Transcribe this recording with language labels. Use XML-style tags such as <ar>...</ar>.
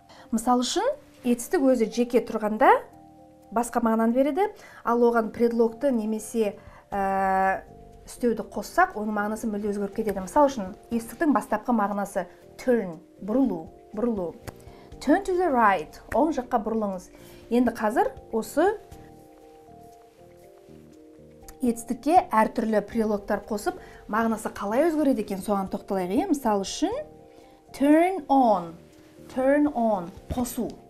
<kk>Мысал үшін, етістік өзі жеке тұрғанда басқа мағынаны береді, ал оған предлогты немесе үстеуді қоссақ, оның мағынасы мүлде өзгеріп кетеді. Мысал үшін, етістіктің бастапқы мағынасы turn, бұрылу.</kk> <en>Turn to the right,</en> <kk>оң жаққа бұрылыңыз. Енді қазір осы етістікке әртүрлі прилогтар қосып, мағынасы қалай өзгереді екен, соған тоқталайық. Мысал үшін, turn on, қосу.</kk>